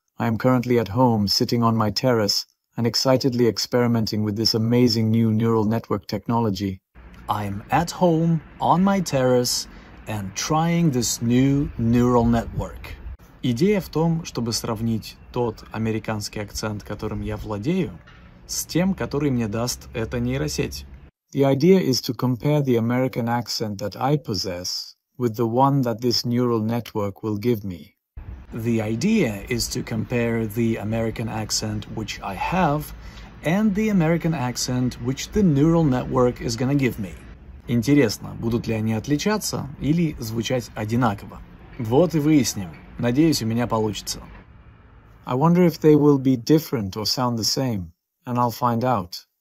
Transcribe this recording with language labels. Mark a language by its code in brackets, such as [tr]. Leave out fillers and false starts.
[en] I am currently at home, sitting on my terrace, and excitedly experimenting with this amazing new neural network technology. I'm at home, on my terrace, and trying this new neural network. [ru] Идея в том, чтобы сравнить тот американский акцент, которым я владею, с тем, который мне даст эта нейросеть. [en] The idea is to compare the American accent that I possess with the one that this neural network will give me. The idea is to compare the American accent which I have and the American accent which the neural network is gonna give me. [ru] Интересно, будут ли они отличаться или звучать одинаково? Вот и выясним. Надеюсь, у меня получится. [en] I wonder if they will be different or sound the same, and I'll find out.